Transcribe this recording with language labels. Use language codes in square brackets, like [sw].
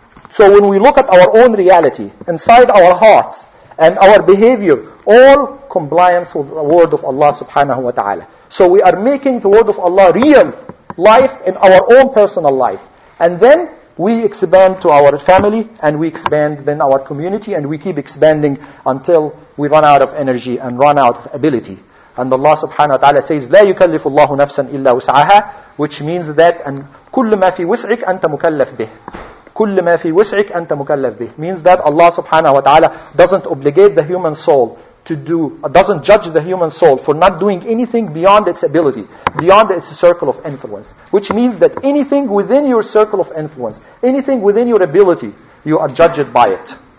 [en] So when we look at our own reality, inside our hearts, and our behavior, all compliance with the word of Allah subhanahu wa ta'ala. So we are making the word of Allah real life in our own personal life. And then we expand to our family, and we expand then our community, and we keep expanding until we run out of energy and run out of ability. And Allah subhanahu wa ta'ala says, [ar] لَا يُكَلِّفُ اللَّهُ نَفْسًا إِلَّا وُسْعَهَا, [en] which means that [ar] كُلُّ مَا فِي وُسْعِكَ أَنْتَ مُكَلَّفْ بِهِ. كل ما في وسعك أنت مكلف به [en] means that Allah subhanahu wa ta'ala doesn't obligate the human soul to do, doesn't judge the human soul for not doing anything beyond its ability, beyond its circle of influence. Which means that anything within your circle of influence, anything within your ability, you are judged by it.